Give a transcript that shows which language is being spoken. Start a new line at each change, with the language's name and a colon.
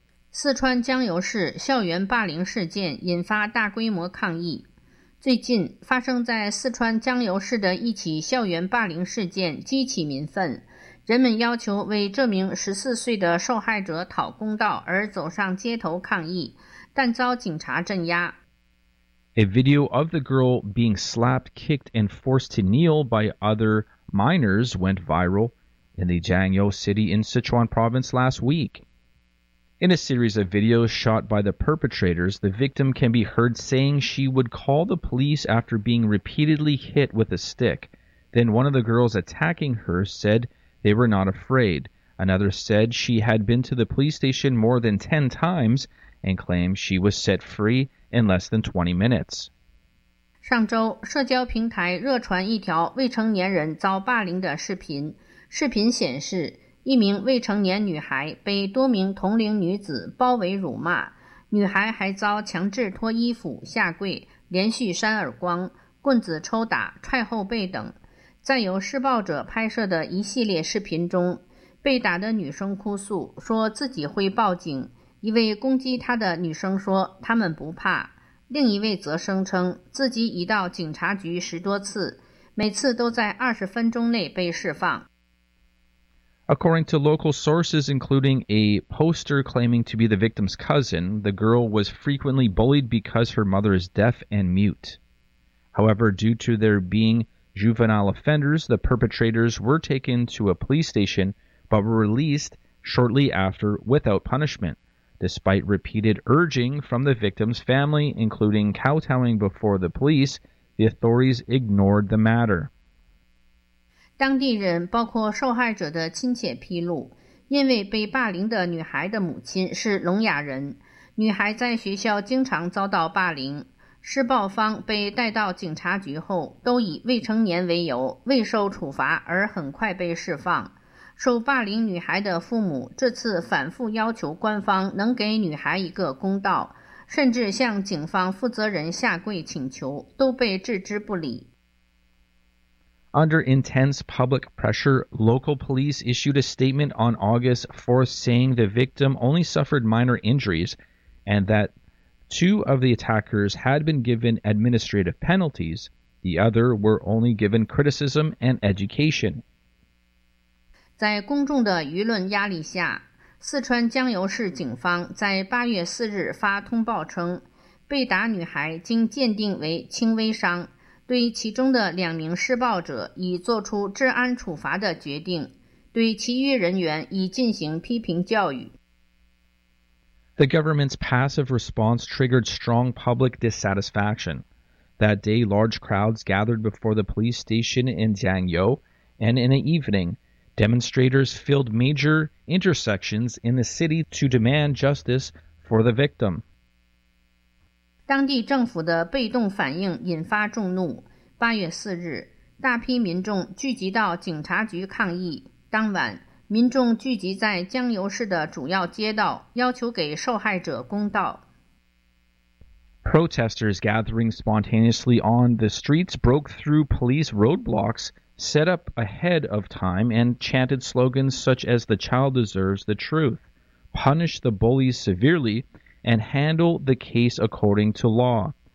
Chinese: 四川江油市校园霸凌事件引发大规模抗议。最近发生在四川江油市的一起校园霸凌事件激起民愤，人们要求为这名14岁的受害者讨公道而走上街头抗议，但遭警察镇压。
English: A video of the girl being slapped, kicked, and forced to kneel by other minors went viral in the Jiangyou city in Sichuan province last week. In a series of videos shot by the perpetrators, the victim can be heard saying she would call the police after being repeatedly hit with a stick. Then one of the girls attacking her said they were not afraid. Another said she had been to the police station more than 10 times and claimed she was set free in less than 20 minutes.
Chinese: 上周，社交平台热传一条未成年人遭霸凌的视频。视频显示，一名未成年女孩被多名同龄女子包围辱骂，女孩还遭强制脱衣服、下跪、连续扇耳光、棍子抽打、踹后背等。在由施暴者拍摄的一系列视频中，被打的女生哭诉说自己会报警，一位攻击她的女生说她们不怕，另一位则声称自己已到警察局十多次，每次都在20分钟内被释放。
English: According to local sources, including a poster claiming to be the victim's cousin, the girl was frequently bullied because her mother is deaf and mute. However, due to there being juvenile offenders, the perpetrators were taken to a police station but were released shortly after without punishment. Despite repeated urging from the victim's family, including kowtowing before the police, the authorities ignored the matter.
Chinese: 当地人包括受害者的亲戚披露，因为被霸凌的女孩的母亲是聋哑人，女孩在学校经常遭到霸凌。施暴方被带到警察局后，都以未成年为由未受处罚而很快被释放。受霸凌女孩的父母这次反复要求官方能给女孩一个公道，甚至向警方负责人下跪请求，都被置之不理。
English: Under intense public pressure, local police issued a statement on August 4th saying the victim only suffered minor injuries and that two of the attackers had been given administrative penalties, the other were only given criticism and education.
Chinese: 在公众的舆论压力下，四川江油市警方在8月4日发通报称，被打女孩经鉴定为轻微伤，对其中的两名施暴者已做出治安处罚的决定，对其余人员已进行批评教育。
English: The government's passive response triggered strong public dissatisfaction. That day, large crowds gathered before the police station in Jiangyou, and in the evening, demonstrators filled major intersections in the city to demand justice for the victim.
Chinese: 当地政府的被动反应引发众怒。 8月4日，大批民众聚集到警察局抗议。当晚，民众聚集在江油市的主要街道，要求给受害者公道。
English: Protesters gathering spontaneously on the streets broke through police roadblocks set up ahead of time and chanted slogans such as "The child deserves the truth," "Punish the bullies severely," and "Handle the case according to law."